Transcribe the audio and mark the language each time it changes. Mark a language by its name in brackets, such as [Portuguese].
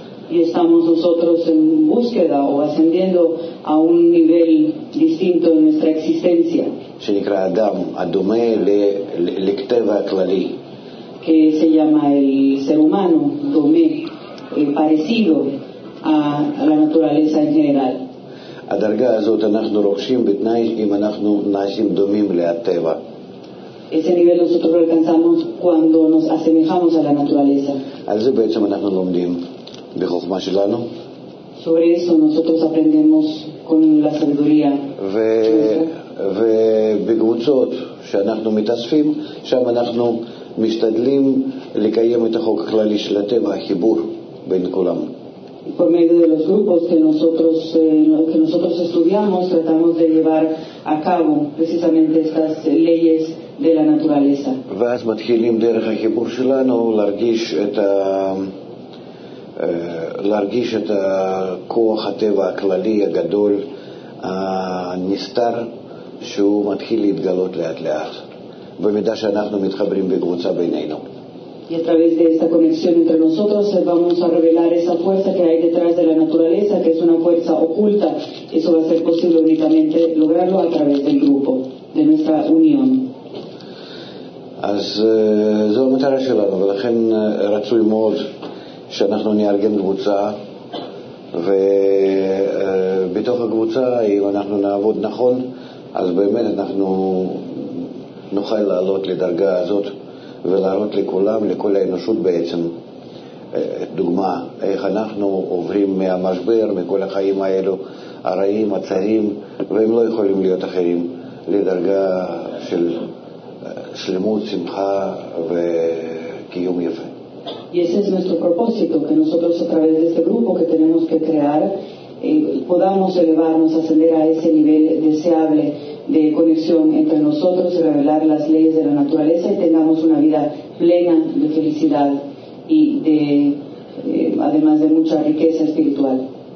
[Spanish] Y estamos nosotros en búsqueda o ascendiendo a un nivel distinto en nuestra existencia. [Hebrew] שנקרא אדם הדומה לכתב הכללי. [Spanish] Que se llama el ser humano, [Hebrew] דומה, [Spanish] parecido a la naturaleza en general. [Hebrew] הדרגה הזאת אנחנו רוכשים בתנאי אם אנחנו נעשים דומים לטבע. [Spanish] Ese nivel nosotros lo alcanzamos cuando nos asemejamos a la naturaleza. [Hebrew] על זה בעצם אנחנו לומדים בחוכמה שלנו. [Spanish] Sobre eso nosotros aprendemos con la sabiduría. [Hebrew] ובקבוצות שאנחנו מתאספים, שם אנחנו משתדלים לקיים את החוק הכללי של הטבע, החיבור בין כולם. [Spanish] Por medio de los grupos que nosotros estudiamos, tratamos de llevar a cabo precisamente estas leyes de la naturaleza. [Hebrew] ואז מתחילים דרך החיבור שלנו להרגיש את ה... להרגיש את הכוח הטבע הכללי הגדול הנסתר שהוא מתחיל להתגלות לאט לאט במידה שאנחנו מתחברים בקבוצה בינינו. [Spanish] Y a través de esta conexión entre nosotros vamos a revelar esa fuerza que hay detrás de la naturaleza, que es una fuerza oculta. Eso va a ser posible únicamente lograrlo a través del grupo, de nuestra unión. [Hebrew] אז זו המטרה שלנו, ולכן רצוי מאוד שאנחנו נארגן קבוצה, ובתוך הקבוצה, אם אנחנו נעבוד נכון, אז באמת אנחנו נוכל לעלות לדרגה הזאת ולהראות לכולם, לכל האנושות בעצם, דוגמה, איך אנחנו עוברים מהמשבר, מכל החיים האלו, הרעים, הצרים, והם לא יכולים להיות אחרים, לדרגה של שלמות, שמחה וקיום יפה. [Spanish] Y ese es nuestro propósito, que nosotros a través de este grupo que tenemos que crear podamos elevarnos, ascender a ese nivel deseable de conexión entre nosotros y revelar las leyes de la naturaleza y tengamos una vida plena de felicidad y de además de mucha riqueza espiritual.